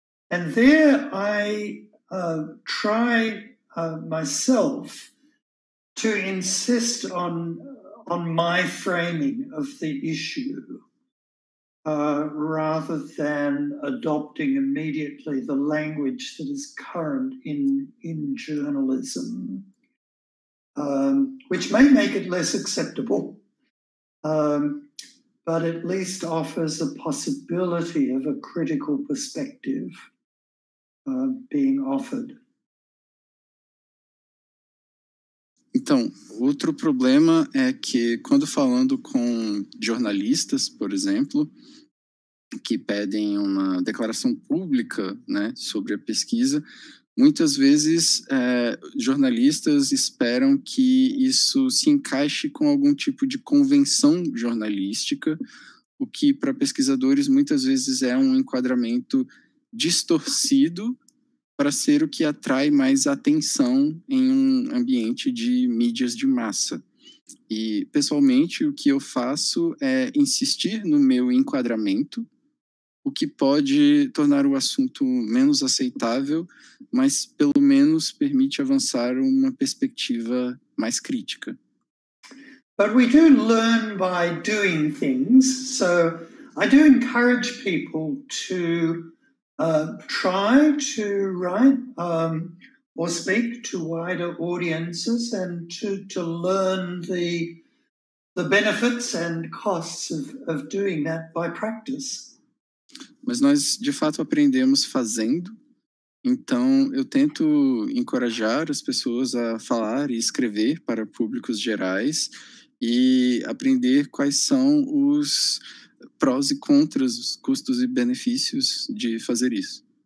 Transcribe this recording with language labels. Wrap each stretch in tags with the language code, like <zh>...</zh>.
<en>And there I try myself to insist on my framing of the issue, rather than adopting immediately the language that is current in journalism, which may make it less acceptable, but at least offers a possibility of a critical perspective being offered.</en> <pt>Então, outro problema é que quando falando com jornalistas, por exemplo, que pedem uma declaração pública, né, sobre a pesquisa, muitas vezes jornalistas esperam que isso se encaixe com algum tipo de convenção jornalística, o que para pesquisadores muitas vezes é um enquadramento distorcido para ser o que atrai mais atenção em um ambiente de mídias de massa. E, pessoalmente, o que eu faço é insistir no meu enquadramento, o que pode tornar o assunto menos aceitável, mas pelo menos permite avançar uma perspectiva mais crítica.</pt> <en>But we do learn by doing things, so I do encourage people to try to write or speak to wider audiences and to learn the benefits and costs of doing that by practice.</en> <pt>Mas nós, de fato, aprendemos fazendo. Então, eu tento encorajar as pessoas a falar e escrever para públicos gerais e aprender quais são os prós e contras, os custos e benefícios de fazer isso.</pt>